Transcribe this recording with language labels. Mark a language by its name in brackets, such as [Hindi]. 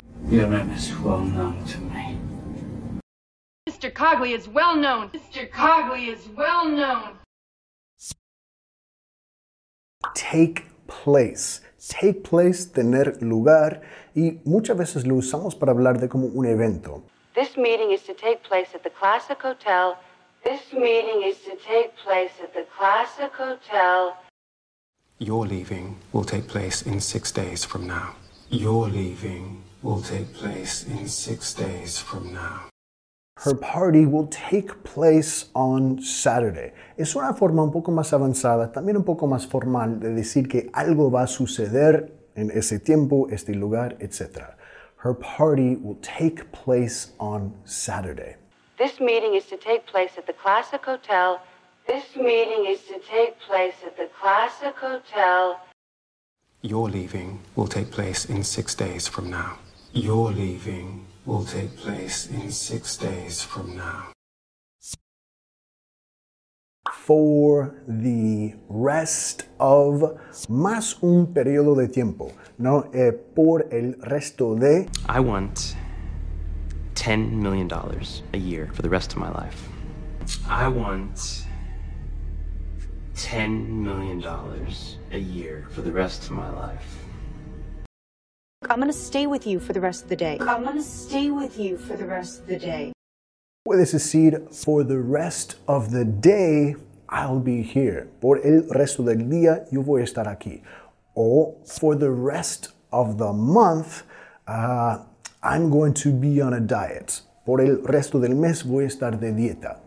[English] Your name is well known to me. Mr. Cogley is well known. Mr. Cogley is well known. Take place. Take place, [Spanish] tener lugar. Y muchas veces lo usamos para hablar de como un evento. [English] This meeting is to take place at the Classic Hotel. This meeting is to take place at the Classic Hotel. Your leaving will take place in 6 days from now. Your leaving will take place in 6 days from now. Her party will take place on Saturday. [Spanish] Es una forma un poco más avanzada, también un poco más formal de decir que algo va a suceder en ese tiempo, este lugar, etc. [English] Her party will take place on Saturday. This meeting is to take place at the Classic Hotel. This meeting is to take place at the Classic Hotel. Your leaving will take place in 6 days from now. Your leaving will take place in 6 days from now. for the rest of, [Spanish] más un periodo de tiempo, ¿no? Por el resto de. [English] I want $10 million a year for the rest of my life. I want $10 million a year for the rest of my life. I'm gonna stay with you for the rest of the day. I'm gonna stay with you for the rest of the day. [Spanish] Puedes decir, [English] for the rest of the day, I'll be here. [Spanish] Por el resto del día, yo voy a estar aquí. O, [English] for the rest of the month, I'm going to be on a diet. [Spanish] Por el resto del mes, voy a estar de dieta.